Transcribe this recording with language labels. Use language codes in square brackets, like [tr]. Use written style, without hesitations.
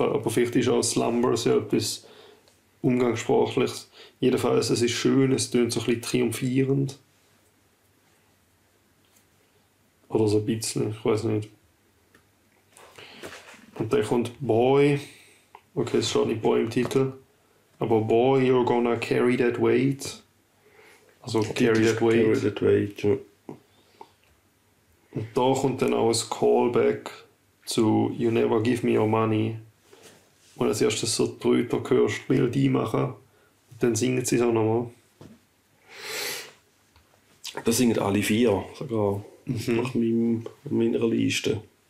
[de] Aber vielleicht ist auch Slumber so etwas Umgangssprachliches. Jedenfalls, es ist schön, es tönt so ein bisschen triumphierend. Oder so ein bisschen, ich weiß nicht. Und dann kommt Boy. Okay, es schaut nicht Boy im Titel. [en] Aber Boy, you're gonna carry that weight. Also carry that weight. Carry that weight, ja. [de] Und da kommt dann auch ein Callback zu You Never Give Me Your Money. Und als erstes so die Rüter hörst, will die machen. Und dann singen sie es auch nochmal. Das singen alle vier sogar. Nach meiner Liste.